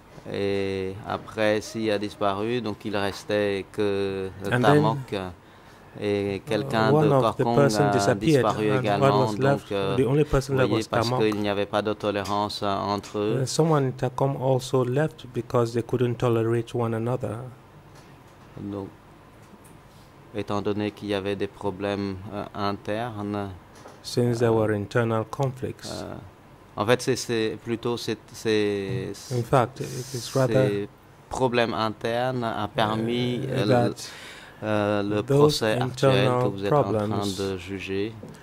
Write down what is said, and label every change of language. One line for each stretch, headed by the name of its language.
French: Et après, s'il a disparu, donc il restait que Tamok. Et quelqu'un de Korkong a disparu également. Donc,
English: the only person left was Tamok.
French: Parce qu'il n'y avait pas de tolérance entre eux.
English: Someone in Takom also left because they couldn't tolerate one another.
French: Donc, étant donné qu'il y avait des problèmes internes.
English: Since there were internal conflicts.
French: En fait, c'est problèmes internes a permis le procès actuel que vous êtes en train de juger.